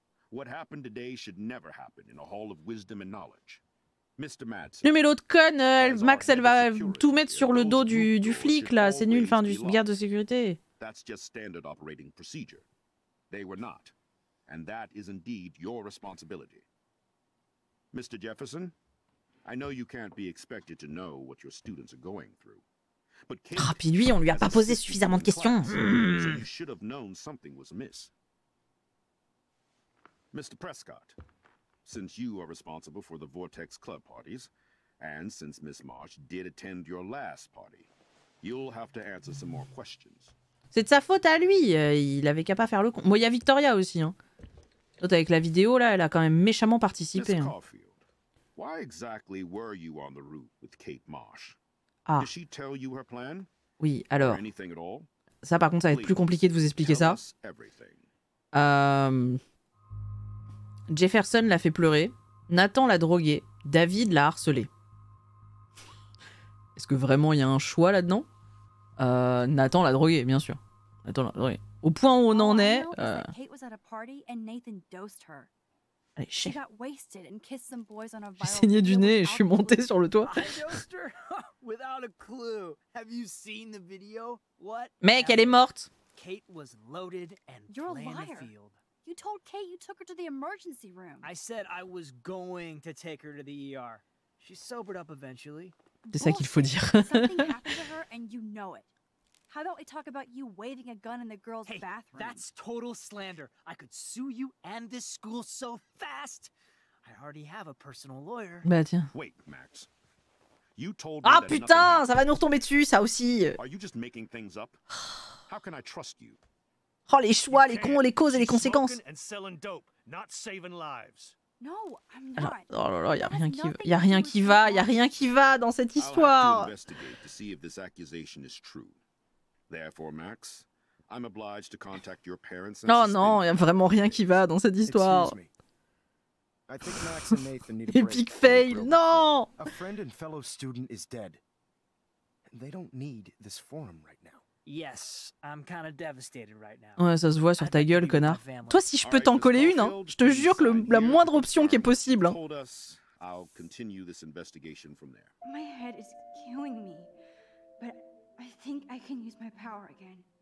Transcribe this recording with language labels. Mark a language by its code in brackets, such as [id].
[en] What happened today should never happen in a hall of wisdom and knowledge. Mr. Madsen. [fr] Mais l'autre conne, Max, elle va tout mettre sur le dos du flic là, c'est nul, enfin du garde de sécurité. [en] That's just standard operating procedure. They were not. And that is indeed your responsibility. Mr. Jefferson, I know you can't be expected to know what your students are going through. [fr] But puis lui, on lui a pas posé suffisamment de questions. [en] So you should have known something was amiss. Mr. Prescott, since you are responsible for the Vortex Club parties, and since Miss Marsh did attend your last party, you'll have to answer some more questions. [fr] C'est de sa faute à lui, il avait qu'à pas faire le con. Bon, il y a Victoria aussi, hein. L'autre avec la vidéo, là, elle a quand même méchamment participé. [en] Miss Caulfield, why exactly were you on the route with Kate Marsh? Ah. Did she tell you her plan? [fr] Oui, alors. [en] Or anything at all? [fr] Ça, par contre, ça va être plus compliqué de vous expliquer ça. [en] Everything. [fr] Jefferson l'a fait pleurer, Nathan l'a drogué, David l'a harcelé. Est-ce que vraiment il y a un choix là-dedans? Nathan l'a drogué, bien sûr. Nathan l'a drogué. Au point où on en est. [en] Kate was at a party and Nathan dosed her. [fr] Allez, [en] she got wasted and kissed some boys on a viral. [fr] J'ai saigné du nez et je suis monté sur le toit. [en] Without a clue. Have you seen the video? What? [fr] Mec, elle est morte. [en] Kate was loaded and playing the field. You told Kate you took her to the emergency room. I said I was going to take her to the ER. She sobered up eventually. [fr] C'est ça qu'il faut dire. [en] And you know it. How about we talk about you waving a gun in the girl's bathroom? Hey, that's total slander. I could sue you and this school so fast. I already have a personal lawyer. [fr] Bah tiens. [en] Wait, Max. You told [fr] me. Ah putain, ça va nous retomber dessus, ça aussi. [en] Are you just making things up? How can I trust you? [fr] Oh, les choix, les cons, les causes et les conséquences. [en] And selling dope, not saving lives. No, I'm not. [fr] Oh là là, y a rien qui va dans cette histoire. [en] I'll have to investigate to see if this accusation is true. Therefore, Max, I'm obliged to contact your parents. [fr] Non, non, y a vraiment rien qui va dans cette histoire. [en] Epic fail, non. A friend and fellow student is dead. They don't need this forum right now. Yes, I'm kind of devastated right now. [fr] Ouais, ça se voit sur ta gueule, connard. Toi, si je peux t'en coller une, hein, je te jure que la moindre option qui est possible. Hein. [en] My head is killing me, but I think I can use my power again.